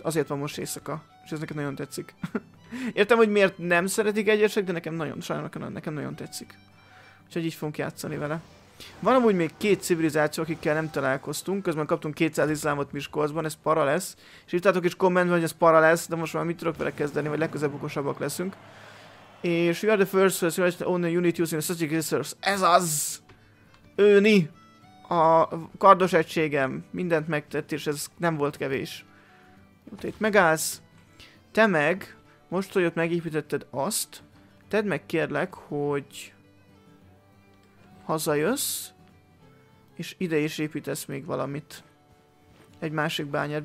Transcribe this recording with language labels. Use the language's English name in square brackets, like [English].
[Hungarian] Azért van most éjszaka, és ez neked nagyon tetszik. Értem, hogy miért nem szeretik egyesek, de nekem nagyon, sajnálom, nekem nagyon tetszik. Úgyhogy így fogunk játszani vele. Van amúgy még két civilizáció, akikkel nem találkoztunk, közben kaptunk 200 iszlámot Miskolcban, ez para lesz. És írtátok is kommentben, hogy ez para lesz, de most már mit tudok vele kezdeni, vagy legközelebb okosabbak leszünk. [English] És you are the first to own the only unit using a strategic resource. [Hungarian] Ez az! Őni! A kardos egységem mindent megtett, és ez nem volt kevés. Ott itt megállsz. Te meg, most, hogy ott megépítetted azt, tedd meg kérlek, hogy... hazajössz, és ide is építesz még valamit. Egy másik bányát.